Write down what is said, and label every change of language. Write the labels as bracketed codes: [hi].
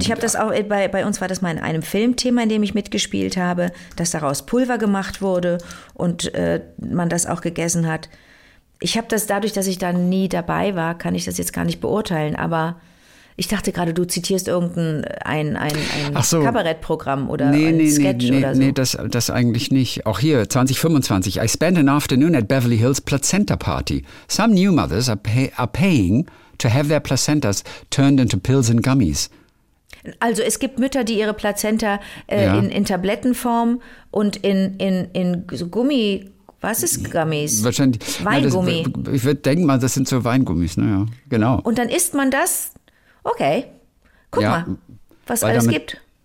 [de] Und ich habe das auch, bei uns war das mal in einem Filmthema, in dem ich mitgespielt habe, dass daraus Pulver gemacht wurde und man das auch gegessen hat. Ich habe das dadurch, dass ich da nie dabei war, kann ich das jetzt gar nicht beurteilen, aber ich dachte gerade, du zitierst irgendein ein Kabarettprogramm oder Sketch oder so. Nee, das eigentlich nicht. Auch hier, 2025. [en] I spent an afternoon at Beverly Hills Placenta Party. Some new mothers are paying to have their placentas turned into pills and gummies. [de] Also es gibt Mütter, die ihre Plazenta in Tablettenform und in so Gummi. Was ist Gummis? Wahrscheinlich. Weingummi. Ich würde denken, das sind so Weingummis. Ne? Ja, genau. Und dann isst man das. Okay. Guck mal, was alles gibt.